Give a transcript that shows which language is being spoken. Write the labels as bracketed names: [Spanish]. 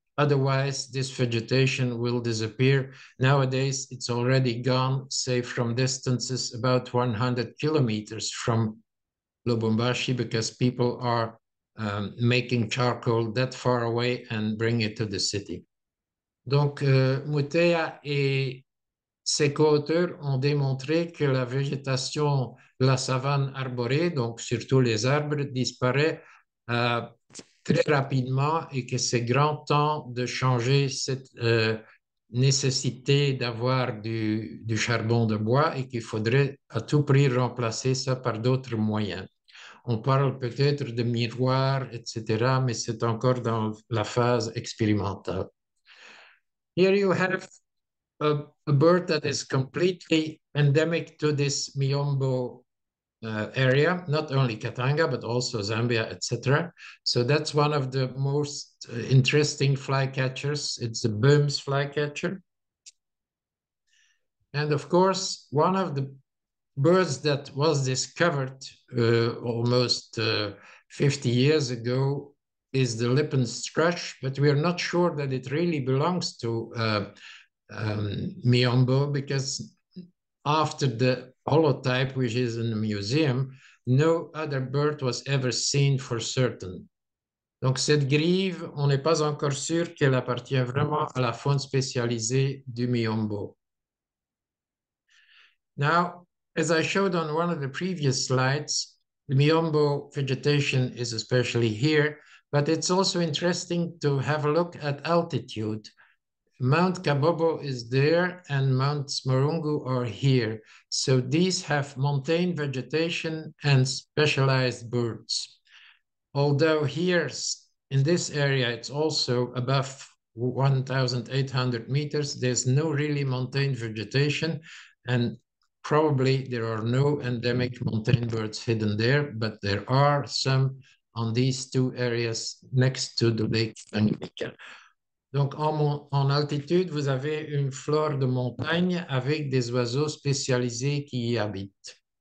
[English] Otherwise, this vegetation will disappear. Nowadays, it's already gone, say, from distances about 100 kilometers from Lubumbashi, because people are making charcoal that far away and bring it to the city. [French] Donc, Mutea et ses co-auteurs ont démontré que la végétation, la savane arborée, donc surtout les arbres, disparaît très rapidement et que c'est grand temps de changer cette nécessité d'avoir du charbon de bois et qu'il faudrait à tout prix remplacer ça par d'autres moyens. On parle peut-être de miroirs, etc., mais c'est encore dans la phase expérimentale. [English] Here you have a bird that is completely endemic to this Miombo area, not only Katanga, but also Zambia, etc. So that's one of the most interesting flycatchers. It's the Böhm's flycatcher. And of course, one of the birds that was discovered almost 50 years ago is the Lippen's thrush, but we are not sure that it really belongs to Miombo, because after the holotype, which is in the museum, no other bird was ever seen for certain. [French] Donc cette grive, on n'est pas encore sûr qu'elle appartient vraiment à la faune spécialisée du Miombo. [English] Now, as I showed on one of the previous slides, the Miombo vegetation is especially here, but it's also interesting to have a look at altitude. Mount Kabobo is there and Mount Smarungu are here. So these have montane vegetation and specialized birds. Although here in this area, it's also above 1,800 meters, there's no really montane vegetation, and probably there are no endemic montane birds hidden there, but there are some on these two areas next to the Lake Tanganyika. [French] Donc en altitude, vous avez une flore de montagne avec des oiseaux spécialisés qui y habitent.